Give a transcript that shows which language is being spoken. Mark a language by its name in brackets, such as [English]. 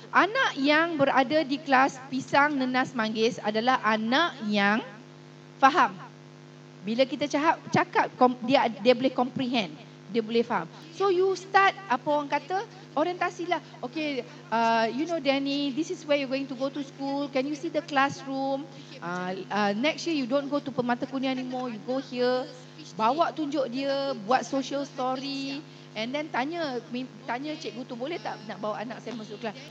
[Malay] Anak yang berada di kelas pisang, nenas, manggis adalah anak yang faham. Bila kita cakap dia boleh comprehend, dia boleh faham. [English] So you start, [Malay] apa orang kata, orientasilah. [English] Okay, you know Danny, this is where you're going to go to school. Can you see the classroom? Next year you don't go to Permata Kuning anymore, you go here. [Malay] Bawa tunjuk dia, buat [English] social story. [Malay] And then tanya cikgu tu, boleh tak nak bawa anak saya masuk kelas?